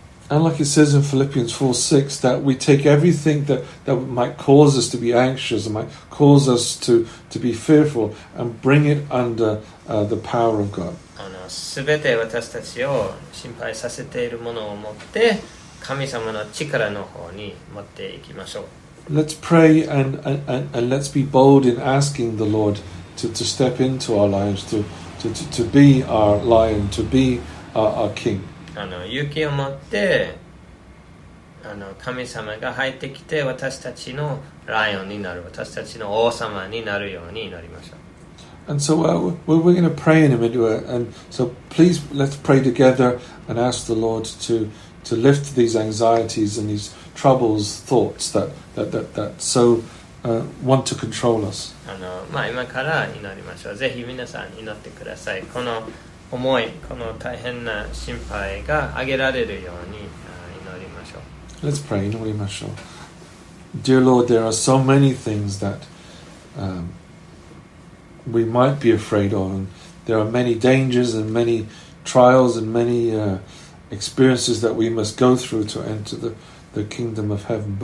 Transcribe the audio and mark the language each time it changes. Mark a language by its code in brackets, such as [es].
[en] And like it says in Philippians 4:6, that we take everything that might cause us to be anxious, might cause us to be fearful, and bring it under the power of God. [ja] あの、すべて私たちを心配させているものを持って、神様の力の方に持っていきましょう。 [en] Let's pray and let's be bold in asking the Lord to step into our lives, to be our lion, to be our king. [ja] あの勇気を持ってあの神様が入ってきて私たちのライオンになる、私たちの王様になるように祈りましょう。 [en] And so we're going to pray in a minute, and so please let's pray together and ask the Lord to lift these anxieties and these troubles, thoughts that soWant to control us. [ja] あの、まあ、今から祈りましょう。ぜひ皆さん祈ってください。この思い、この大変な心配が挙げられるように祈りましょう。 [en] Let's pray, [ja] 祈りましょう。 [en] Dear Lord, there are so many things that we might be afraid of. And there are many dangers and many trials and many experiences that we must go through to enter the kingdom of heaven.